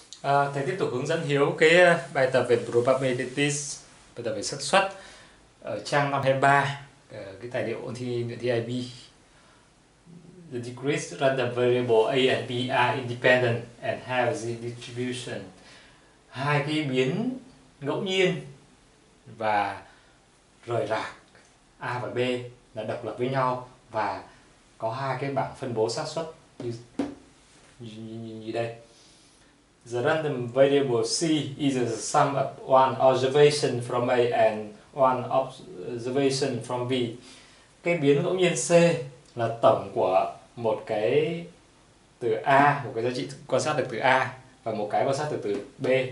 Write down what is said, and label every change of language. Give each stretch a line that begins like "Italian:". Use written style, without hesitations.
Vietnamese: À, thầy tiếp tục hướng dẫn Hiếu cái bài tập về probabilities, bài tập về xác suất ở trang 523, cái tài liệu ôn thi nguyện thi IB.
English: The degrees random variable A and B are independent and have the distribution.
Vietnamese: Hai cái biến ngẫu nhiên và rời rạc A và B là độc lập với nhau và có hai cái bảng phân bố xác suất như đây.
English: The random variable C is the sum of one observation from A and one observation from B.
Vietnamese: Cái biến ngẫu nhiên C là tổng của một cái từ A, một cái giá trị quan sát được từ A và một cái quan sát được từ B.